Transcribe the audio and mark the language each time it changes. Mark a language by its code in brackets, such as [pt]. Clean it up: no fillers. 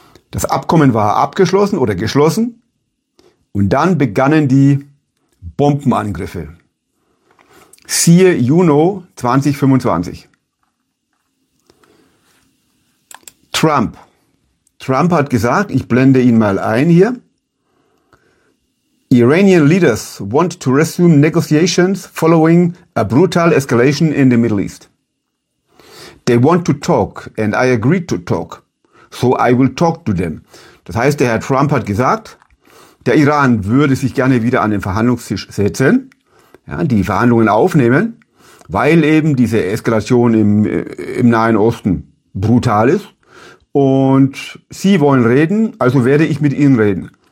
[de] Das Abkommen war abgeschlossen oder geschlossen und dann begannen die Bombenangriffe. Siehe Juno 2025. Trump hat gesagt, ich blende ihn mal ein hier. [en] Iranian leaders want to resume negotiations following a brutal escalation in the Middle East. They want to talk and I agreed to talk. So I will talk to them. [de] Das heißt, der Herr Trump hat gesagt, der Iran würde sich gerne wieder an den Verhandlungstisch setzen. Ja, die Verhandlungen aufnehmen, weil eben diese Eskalation im Nahen Osten brutal ist. Und sie wollen reden, also werde ich mit ihnen reden.